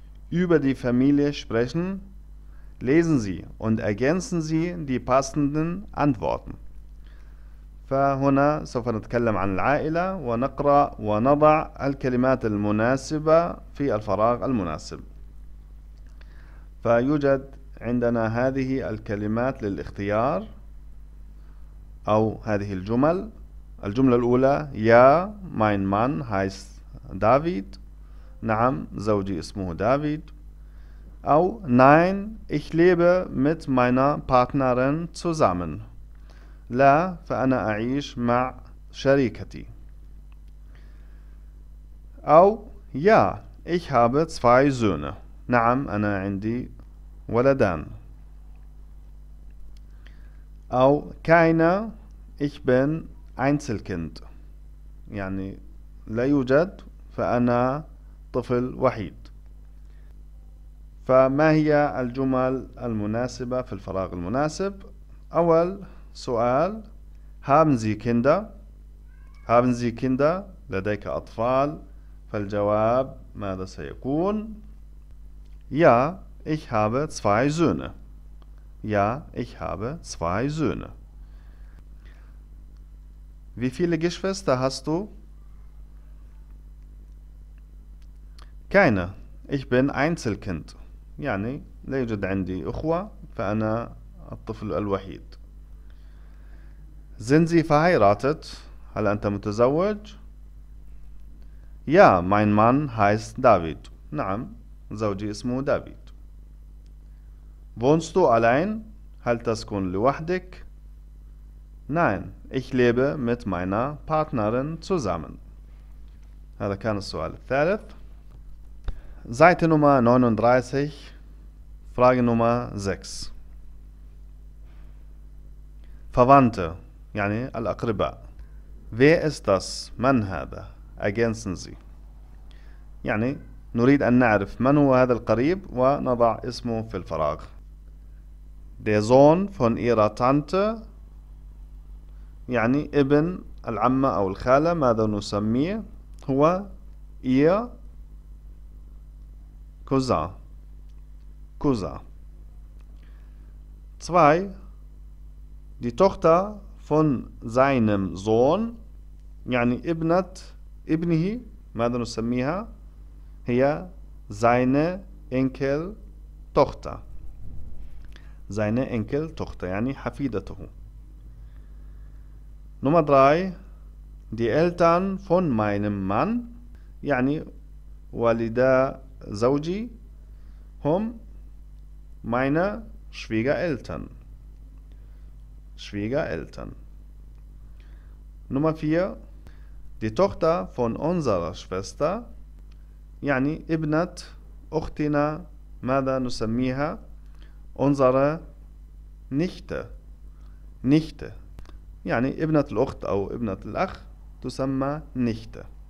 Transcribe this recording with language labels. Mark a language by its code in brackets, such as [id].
[de] Über die Familie sprechen, lesen Sie und ergänzen Sie die passenden Antworten. [ar] فهنا سوف نتكلم عن العائلة ونقرأ ونضع الكلمات المناسبة في الفراغ المناسب. فيوجد عندنا هذه الكلمات للاختيار أو هذه الجمل. [de] الجملة الأولى: يا mein Mann heißt David. [ar] نعم زوجي اسمه David. [de] أو nein, ich lebe mit meiner Partnerin zusammen. [ar] لا, فأنا أعيش مع شريكتي. [de] أو ja, ich habe zwei Söhne. [ar] نعم, أنا عندي ولدان. [de] أو keine, ich bin Einzelkind. [ar] يعني لا يوجد, فأنا طفل وحيد. فما هي الجمل المناسبة في الفراغ المناسب؟ أول سؤال: [de] Haben Sie Kinder? Haben Sie Kinder? [ar] لديك أطفال؟ فالجواب ماذا سيكون؟ [de] Ja, ich habe zwei Söhne. Ja, ich habe zwei Söhne. Wie viele Geschwister hast du? Keine. Ich bin Einzelkind. [ar] يعني لا يوجد عندي أخوة فأنا الطفل الوحيد. [de] Sind Sie verheiratet? [ar] هل أنت متزوج؟ [de] Ja, mein Mann heißt David. [ar] نعم زوجي اسمه David. [de] Wohnst du allein? [ar] هل تسكن لوحدك؟ [de] Nein, ich lebe mit meiner Partnerin zusammen. [ar] هذا كان السؤال الثالث. [de] Seite Nummer 39. Frage Nummer 6. Verwandte, [ar] يعني الأقرباء. [de] Wer ist das? [ar] من هذا؟ [de] Ergänzen Sie. [ar] يعني نريد أن نعرف من هو هذا القريب ونضع اسمه في الفراغ. [de] Der Sohn von ihrer Tante. [ar] يعني ابن العمة أو الخالة. ماذا نسميه؟ هو [de] ihr Cousin. Cousin. 2. Die Tochter von seinem Sohn, [ar] يعني ابنه, ماذا نسميها؟ هي [de] seine Enkeltochter. Seine Enkeltochter, [ar] يعني حفيدته. [de] Nummer 3. Die Eltern von meinem Mann, [ar] يعني والدا زوجي, هم [de] meine Schwiegereltern. Schwiegereltern. Nummer 4. Die Tochter von unserer Schwester, [ar] يعني ابنت أختنا, ماذا نسميها؟ [de] Unsere Nichte. Nichte. [ar] يعني ابنت الأخت أو ابنت الأخ تسمى نichte.